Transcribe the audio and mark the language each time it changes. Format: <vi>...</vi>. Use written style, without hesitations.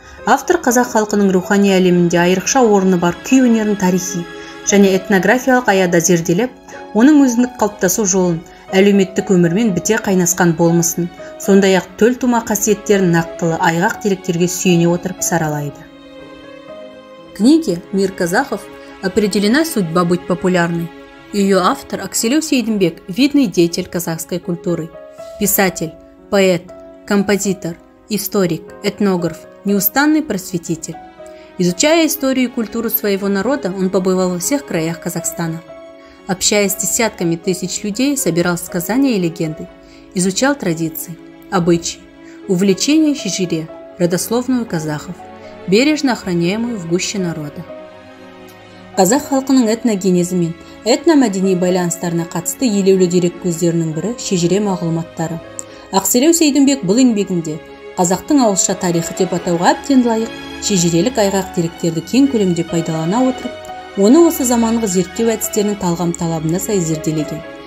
<kk>Автор қазақ халқының рухани әлемінде айрықша орны бар күй өнерін тарихи және этнографиялық аяда зерделеп, оның өзіндік қалыптасу жолын, әлеуметтік өмірмен біте қайнасқан болмысын, сондай-ақ төл тума қасиеттерін нақтылы айғақ деректерге сүйене отырып саралайды.</kk> <ru>Книге «Мир Казахов. Определена судьба быть популярной». Ее автор Ақселеу Сейдімбек – видный деятель казахской культуры. Писатель, поэт, композитор, историк, этнограф, неустанный просветитель. Изучая историю и культуру своего народа, он побывал во всех краях Казахстана. Общаясь с десятками тысяч людей, собирал сказания и легенды, изучал традиции, обычаи, увлечения шежире, родословную казахов, бережно охраняемую в гуще народа.</ru> <kk>Казах халқының этногенезі мен этномәдени байланыстарына қатысты елеулі дерек көздерінің бірі шежире мағлұматтары. Ақселеу Сейдімбек бұл еңбегінде қазақтың ауылша тарихы деп атауға әбден лайық, шежірелік айғақ деректерді кең көлемде пайдалана отырып, оны осы заманғы зерттеу әдістерінің талғам талабына сай зерделеген.</kk>